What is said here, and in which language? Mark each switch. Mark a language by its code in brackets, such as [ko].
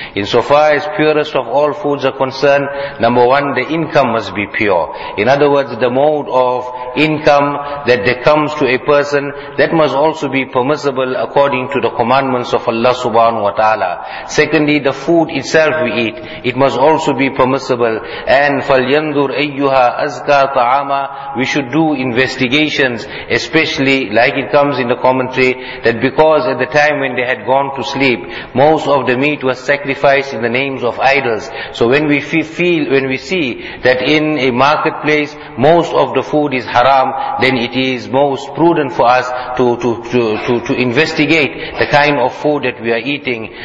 [en] Insofar as purest of all foods are concerned, number one, the income must be pure. In other words, the mode of income that comes to a person, that must also be permissible according to the commandments of Allah subhanahu wa ta'ala. Secondly, the food itself we eat, it must also be permissible. [ar] And فَلْيَنْظُرْ أَيُّهَا أَزْكَى طَعَامًا. [en] We should do investigations, especially like it comes in the commentary, that because at the time when they had gone to sleep, most of the meat was sacrificed in the names of idols. So when we feel, when we see that in a marketplace most of the food is haram, then it is most prudent for us to investigate the kind of food that we are eating.